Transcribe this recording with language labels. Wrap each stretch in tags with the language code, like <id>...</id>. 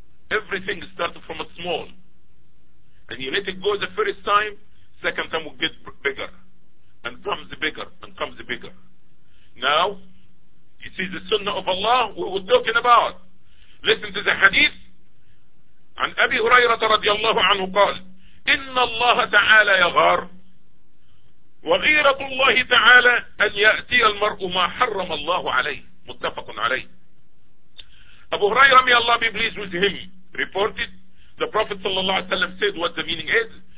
<en>Everything started from a small. And you let it go the first time, second time will get bigger. And comes bigger, and comes bigger. Now, you see the sunnah of Allah we were talking about. Listen to the hadith.</en> <ar>عن أبي هريرة رضي الله عنه قال إن الله تعالى يغار وغيرة الله تعالى أن يأتي المرء ما حرم الله عليه. متفق عليه.</ar> <en>Abu Hurairah may Allah be pleased with him reported the Prophet</en> <ar>صلى الله عليه وسلم</ar> <en>said what the meaning is.</en>